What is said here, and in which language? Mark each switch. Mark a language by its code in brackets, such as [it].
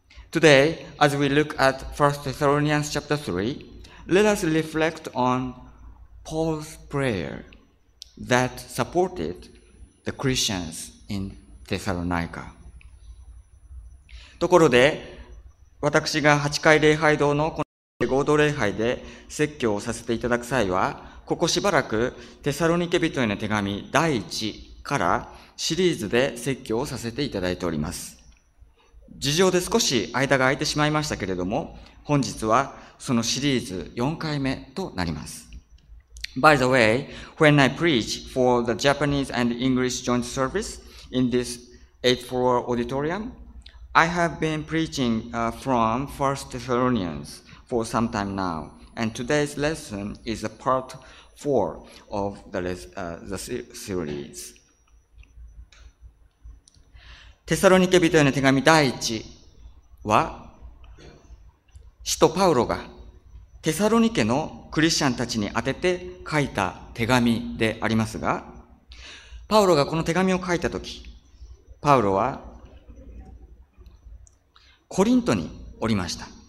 [en] Today, as we look at 1 Thessalonians chapter 3, let us reflect onPaul's prayer that supported the Christians in Thessalonica. [ja] ところで、私が8階礼拝堂のこの合同礼拝で説教をさせていただく際は、ここしばらくテサロニケ人への手紙第1からシリーズで説教をさせていただいております。事情で少し間が空いてしまいましたけれども、本日はそのシリーズ4回目となります。 [en] By the way, when I preach for the Japanese and English joint service in this 8th floor auditorium, I have been preaching from 1 Thessalonians for some time now, and today's lesson is a part 4 of the series. [ja] テサロニケ人への手紙第1は、使徒パウロがテサロニケのクリスチャンたちに宛てて書いた手紙でありますが、パウロがこの手紙を書いたとき、パウロはコリントにおりました。